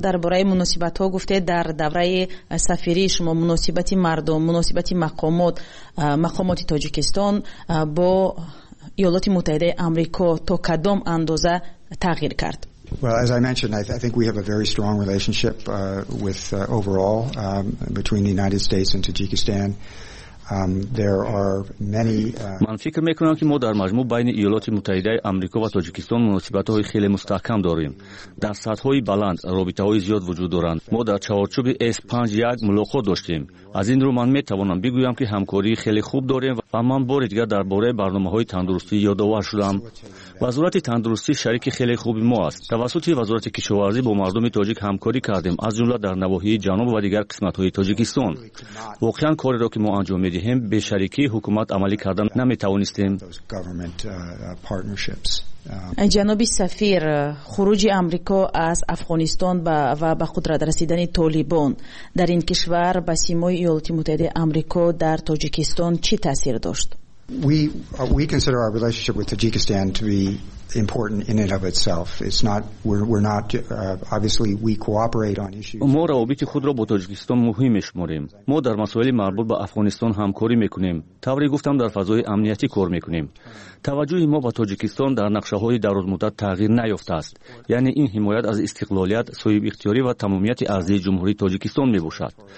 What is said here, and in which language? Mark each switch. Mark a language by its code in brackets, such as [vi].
[fa] در باره مناسبت ها گفته در دوره سفری شما مناسبت مردم، مناسبت مقامات، مقامات تاجیکستان با ایالات متحده آمریکا تا کدام اندازه تغییر کرد؟ [en] Well, as I mentioned, I think we have a very strong relationship with overall between the United States and Tajikistan. There are many [fa] من فکر میکنم که ما در مجموع بین ایالات متحده آمریکا و تاجیکستان مناسبت های خیلی مستحکم داریم. در سطح های بلند رابطه های زیاد وجود دارند. ما در چهارچوب S5-1 ملاقات داشتیم. از این رو من میتوانم بگویم که همکاری خیلی خوب داریم و من بار دیگر درباره برنامه های تندرستی یادآور شدم. وزارت تندرستی شریک خیلی خوبی ما است. توسط وزارت کشاورزی با مردم تاجیک همکاری کردیم، از جمله در نواحی جنوب و دیگر قسمت های تاجیکستان. واقعا کاری را که ما انجام می دهیم به شریکی حکومت عملی کردن نمی توانستیم. جناب سفیر، خروج آمریکا از افغانستان و به قدرت رسیدن طالبان در این کشور به سیمای ایالات متحده آمریکا در تاجیکستان چی تاثیر داشت؟ [en] We consider our relationship with Tajikistan to be important in and of itself. It's not we're not obviously we cooperate on issues. [fa] ما روابط خود را با تاجیکستان مهم می‌شماریم. ما در مسائل مربوط به افغانستان همکاری می‌کنیم. طوری گفتم در فضای امنیتی کار می‌کنیم. توجه ما به تاجیکستان در نقشه‌های دراز‌مدت تغییر نیافته است. یعنی این حمایت از استقلالیت، صاحب اختیاری و تمامیت ارضی جمهوری تاجیکستان می‌باشد.